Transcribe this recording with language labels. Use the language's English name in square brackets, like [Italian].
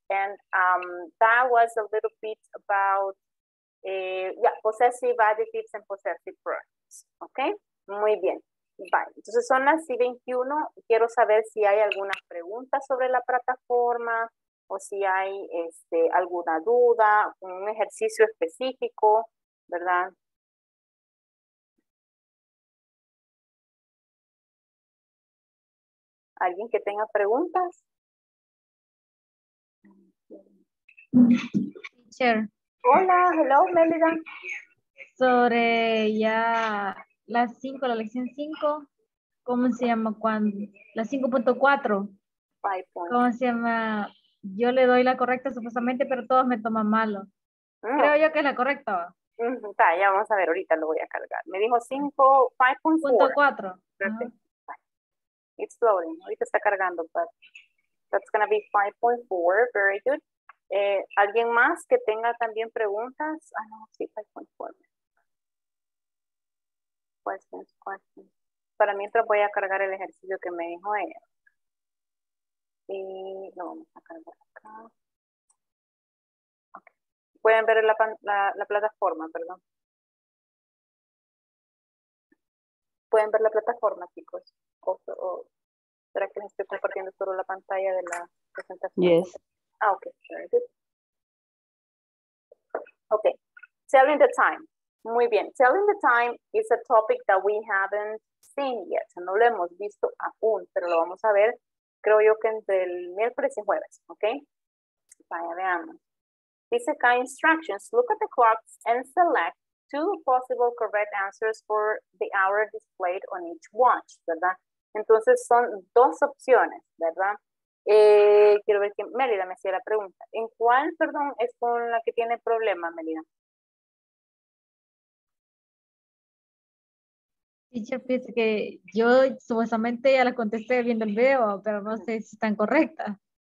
[English] And that was a little bit about possessive adjectives and possessive pronouns. [Spanish] Ok, muy bien. Vale, entonces son las 21. Quiero saber si hay alguna pregunta sobre la plataforma o si hay alguna duda, un ejercicio específico, ¿verdad? ¿Alguien que tenga preguntas? [English] Teacher. [Spanish] Hola, [English] hello, [Spanish] Melida. Sobre ya las 5, la lección 5, ¿cómo se llama cuando? La 5.4. ¿Cómo se llama? Yo le doy la correcta supuestamente, pero todos me toman malo. Creo yo que es la correcta. Está, ya vamos a ver, ahorita lo voy a cargar. Me dijo 5.4. [English] It's loading. [Spanish] Ahorita está cargando, [English] but that's going to be 5.4. Very good. [Spanish] ¿Alguien más que tenga también preguntas? Ah, no, sí, 5.4. [English] Questions, questions. [Spanish] Para mientras voy a cargar el ejercicio que me dijo ella. Y lo vamos a cargar acá. Okay. Pueden ver la plataforma, perdón. Pueden ver la plataforma, chicos. ¿Será que les estoy compartiendo solo la pantalla de la presentación? [English] Yes. [Spanish] Ah, ok. [English] Ok. Telling the time. [Spanish] Muy bien. [English] Telling the time is a topic that we haven't seen yet. [Spanish] No lo hemos visto aún, pero lo vamos a ver, creo yo, que entre el miércoles y jueves. Ok. Vaya, veamos. Dice acá, instructions. [English] Look at the clocks and select two possible correct answers for the hour displayed on each watch. [Spanish] ¿Verdad? Entonces, son dos opciones, ¿verdad? Quiero ver que Mélida me hacía la pregunta. ¿En cuál, perdón, es con la que tiene problema, Mélida? Teacher, fíjese que yo supuestamente ya la contesté viendo el video, pero no sé si es tan correcta.